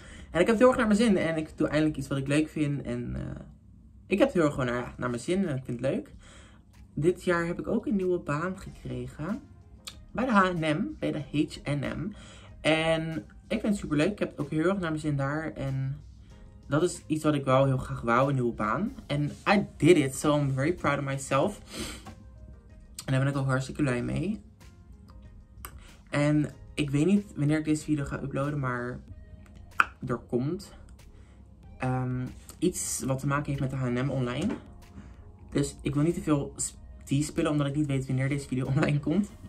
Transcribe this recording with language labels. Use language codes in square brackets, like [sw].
[nl] En ik heb het heel erg naar mijn zin en ik doe eindelijk iets wat ik leuk vind. En ik heb het heel erg gewoon naar mijn zin en ik vind het leuk. Dit jaar heb ik ook een nieuwe baan gekregen bij de H&M, bij de H&M. En ik vind het super leuk, ik heb het ook heel erg naar mijn zin daar en dat is iets wat ik wel heel graag wou, een nieuwe baan. [en] En I did it, so I'm very proud of myself. [nl] En daar ben ik al hartstikke blij mee. En ik weet niet wanneer ik deze video ga uploaden, maar er komt iets wat te maken heeft met de H&M online. Dus ik wil niet te veel tea spillen, omdat ik niet weet wanneer deze video online komt.